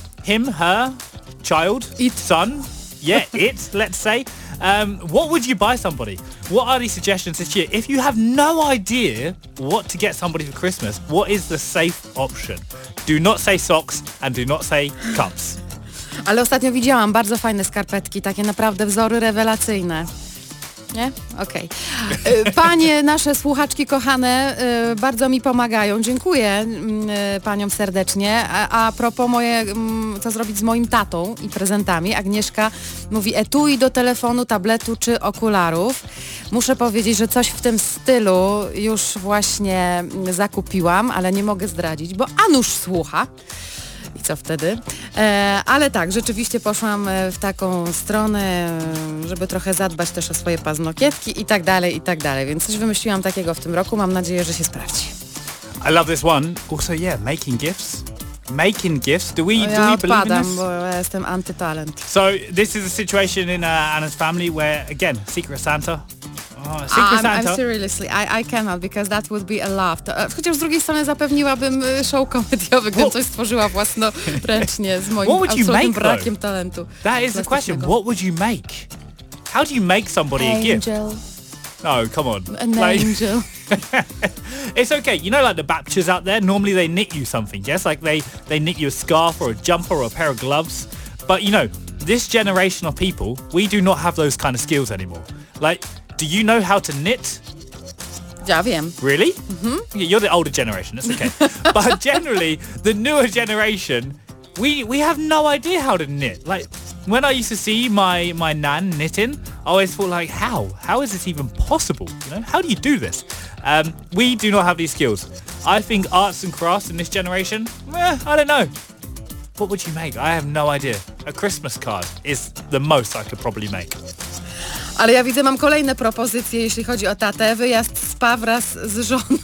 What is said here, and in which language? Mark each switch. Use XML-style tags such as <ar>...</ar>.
<en>Him, her, child, it. Son, yeah, it, let's say. What would you buy somebody? What are the suggestions this year? If you have no idea what to get somebody for Christmas, what is the safe option? Do not say socks and do not say cups.</en> <pl>Ale ostatnio widziałam bardzo fajne skarpetki, takie naprawdę wzory rewelacyjne. Nie? Okej. Okay. Panie nasze słuchaczki kochane, bardzo mi pomagają. Dziękuję paniom serdecznie. A propos moje, co zrobić z moim tatą i prezentami. Agnieszka mówi etui do telefonu, tabletu czy okularów. Muszę powiedzieć, że coś w tym stylu już właśnie zakupiłam, ale nie mogę zdradzić, bo Anusz słucha. I co wtedy? Ale tak, rzeczywiście poszłam w taką stronę, żeby trochę zadbać też o swoje paznokietki i tak dalej, więc coś wymyśliłam takiego w tym roku, mam nadzieję, że się sprawdzi.</pl> <en>I love this one. Also, yeah, making gifts. Making gifts. Do we,</en> <pl>ja</pl> <en>do we</en> <pl>odpadam,</pl> <en>believe in this?</en> <pl>Bo ja jestem anti-talent.</pl> <en>So, this is a situation in Anna's family where, again, Secret Santa. I cannot, because that would be a laugh.</en> <pl>Chociaż z drugiej strony zapewniłabym show komediowy, gdybym coś stworzyła własnoręcznie z moim absolutnym brakiem talentu.</pl> <en>That is the question. What would you make? How do you make somebody angel. A gift? No, come on. An like, angel. It's okay. You know, like the Baptists out there, normally they knit you something, yes? Like they knit you a scarf or a jumper or a pair of gloves. But, you know, this generation of people, we do not have those kind of skills anymore. Like... Do you know how to knit?</en> <pl>Ja wiem.</pl> <en>Really? Mm-hmm. You're the older generation, that's okay. But generally, the newer generation, we have no idea how to knit. Like, when I used to see my nan knitting, I always thought like, how? How is this even possible? You know, how do you do this? We do not have these skills. I think arts and crafts in this generation, I don't know. What would you make? I have no idea. A Christmas card is the most I could probably make.</en> <pl>Ale ja widzę, mam kolejne propozycje, jeśli chodzi o tatę. Wyjazd spa wraz z żoną.</pl>